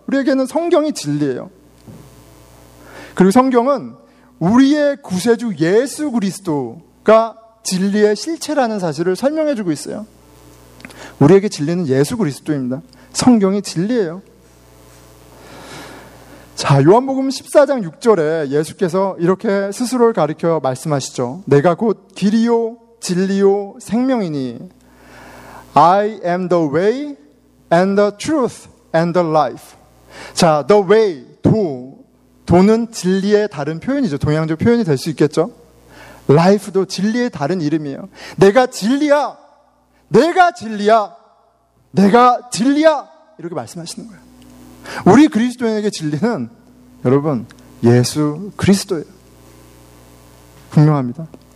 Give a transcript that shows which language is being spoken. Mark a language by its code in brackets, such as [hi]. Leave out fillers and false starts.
[ko] 우리에게는 성경이 진리예요. 그리고 성경은 우리의 구세주 예수 그리스도가 진리의 실체라는 사실을 설명해주고 있어요. 우리에게 진리는 예수 그리스도입니다. 성경이 진리예요. 자, 요한복음 14장 6절에 예수께서 이렇게 스스로를 가리켜 말씀하시죠. 내가 곧 길이요 진리요 생명이니 [en] I am the way and the truth and the life. [ko] 자, the way, 도. 도는 진리의 다른 표현이죠. 동양적 표현이 될 수 있겠죠. life도 진리의 다른 이름이에요. 내가 진리야. 내가 진리야. 내가 진리야. 이렇게 말씀하시는 거예요. 우리 그리스도인에게 진리는 여러분 예수 그리스도예요. 분명합니다.